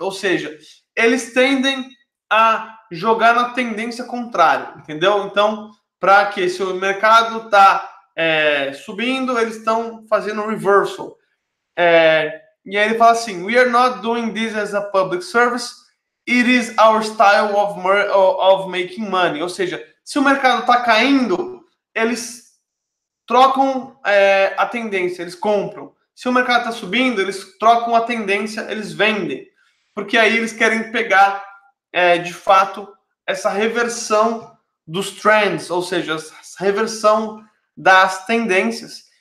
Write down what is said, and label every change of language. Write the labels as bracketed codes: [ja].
[pt] Ou seja, eles tendem a jogar na tendência contrária, entendeu? Então, para que se o mercado está subindo, eles estão fazendo um reversal. E aí ele fala assim: [en] we are not doing this as a public service. It is our style of making money. [pt] Ou seja, se o mercado está caindo, eles trocam a tendência, eles compram. Se o mercado está subindo, eles trocam a tendência, eles vendem. Porque aí eles querem pegar, de fato, essa reversão dos trends, ou seja, essa reversão das tendências.